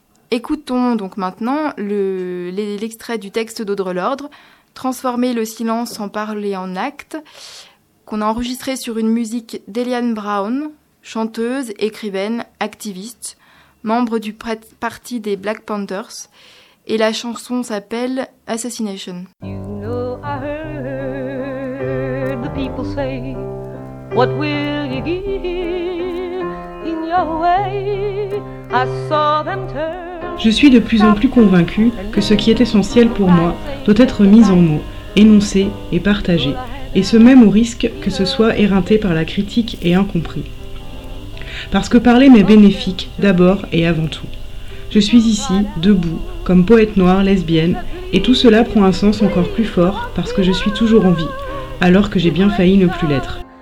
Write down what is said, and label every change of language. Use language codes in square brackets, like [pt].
[fr] Écoutons donc maintenant l'extrait du texte d'Audre Lorde, « Transformer le silence en parler en acte », qu'on a enregistré sur une musique d'Eliane Brown, chanteuse, écrivaine, activiste, membre du parti des Black Panthers, et la chanson s'appelle Assassination. [en] You know I heard the people say, what will you give in your way? I saw them turn. [fr] Je suis de plus en plus convaincue que ce qui est essentiel pour moi doit être mis en mots, énoncé et partagé, et ce même au risque que ce soit éreinté par la critique et incompris. Parce que parler m'est bénéfique, d'abord et avant tout. Je suis ici, debout, comme poète noire, lesbienne, et tout cela prend un sens encore plus fort, parce que je suis toujours en vie, alors que j'ai bien failli ne plus l'être.